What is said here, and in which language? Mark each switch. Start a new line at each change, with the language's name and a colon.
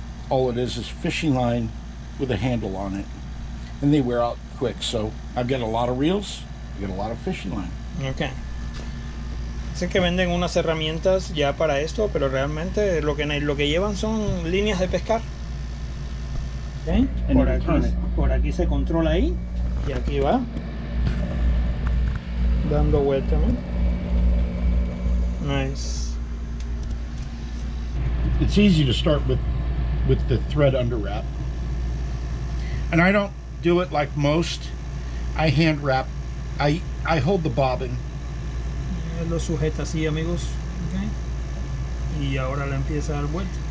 English: All it is fishing line with a handle on it. And they wear out quick, so I've got a lot of reels. I get a lot of fishing line. Okay.
Spanish: Dicen que venden unas herramientas ya para esto, pero realmente lo que llevan son líneas de pescar. ¿Okay? Por aquí se controla ahí y aquí va dando vuelta, ¿no?
English: Nice. It's easy to start with the thread under wrap. And I don't do it like most. I hand wrap. I hold the bobbin.
Spanish: Lo sujeta así, amigos. Okay. Y ahora le empieza a dar vuelta.